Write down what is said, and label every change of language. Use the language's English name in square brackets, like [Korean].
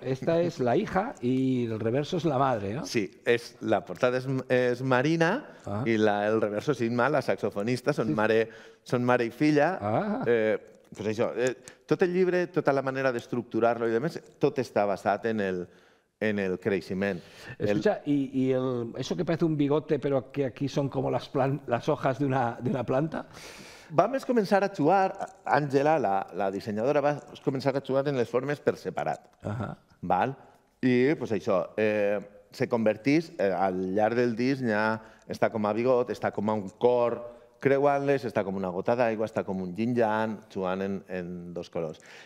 [Spanish] Esta és la hija i el reverso és la madre, no? [Catalan] Sí, la portada és Marina i el reverso és Inma, la saxofonista, són mare i filla. Doncs això, tot el llibre, tota la manera d'estructurar-lo i demés, tot està basat en el creixement. [Spanish] Escucha, ¿y eso que parece un bigote pero que aquí son como las hojas de una planta? [Catalan] Vam començar a jugar, Àngela, la dissenyadora, va començar a jugar en les formes per separat. Val? I pues això, se convertís, al llarg del disc ja està com a bigot, està com a un cor creuant-les, està com una gota d'aigua, està com un yin-yang, jugant en dos colors.